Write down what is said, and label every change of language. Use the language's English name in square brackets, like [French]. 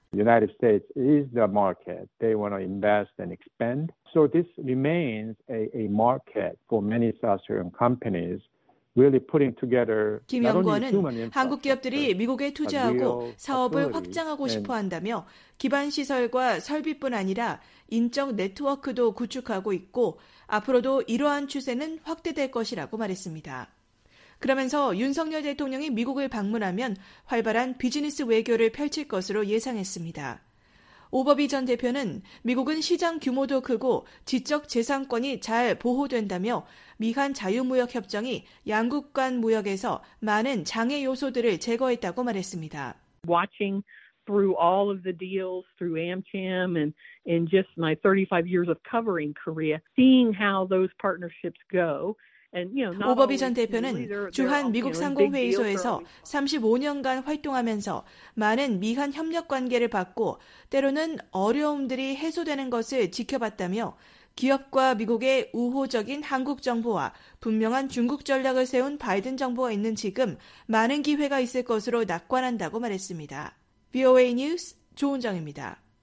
[English] United States is the market. They want to invest and expand. So this remains a market for many South Korean companies. Really putting together, [Korean] 김 연구원은 한국 기업들이 미국에 투자하고 사업을 확장하고 싶어 한다며 기반시설과 설비뿐 아니라 인적 네트워크도 구축하고 있고 앞으로도 이러한 추세는 확대될 것이라고 말했습니다. 그러면서 윤석열 대통령이 미국을 방문하면 활발한 비즈니스 외교를 펼칠 것으로 예상했습니다. 오버비 전 대표는 미국은 시장 규모도 크고 지적 재산권이 잘 보호된다며 미한 자유무역협정이 양국 간 무역에서 많은 장애 요소들을 제거했다고 말했습니다. [English] Watching through all of the deals through AmCham and in just my 35 years of covering Korea, seeing how those partnerships go. [Korean] 오버비 전 대표는 주한 미국 상공회의소에서 35년간 활동하면서 많은 미한 협력 관계를 받고 때로는 어려움들이 해소되는 것을 지켜봤다며 기업과 미국의 우호적인 한국 정부와 분명한 중국 전략을 세운 바이든 정부가 있는 지금 많은 기회가 있을 것으로 낙관한다고 말했습니다. VOA 뉴스 조은정입니다.